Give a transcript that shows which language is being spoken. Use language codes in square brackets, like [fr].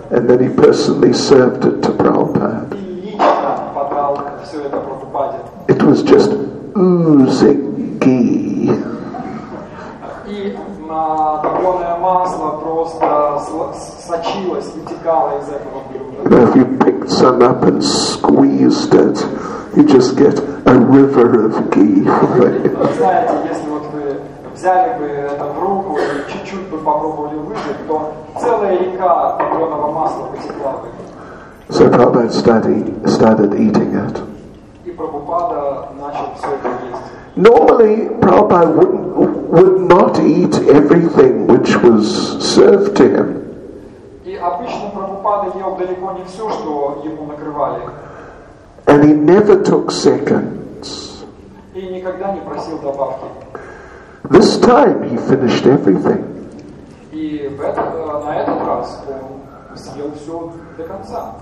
[en] And then he personally served it to Prabhupada. [ru] И лично подал всё это Прабхупаде. [en] It was just oozing ghee. [ru] И топлёное масло просто сочилось, вытекало из этого блюда. [en] If you picked some up and squeezed it, you just get a river of ghee. [ru] Знаете, если вот вы взяли бы это в руку и чуть-чуть бы попробовали выжать, то целая река топлёного масла вытекла бы. [en] So Prabhupada started eating it. [ru] И Прабхупада начал всё это есть. [en] Normally, Prabhupada would not eat everything which was served to him. [ru] И обычно Прабхупада ел далеко не все, что ему накрывали. [en] And he never took seconds. [ru] И никогда не просил добавки. [en] This time he finished everything. [ru] И на этот раз он съел все до конца.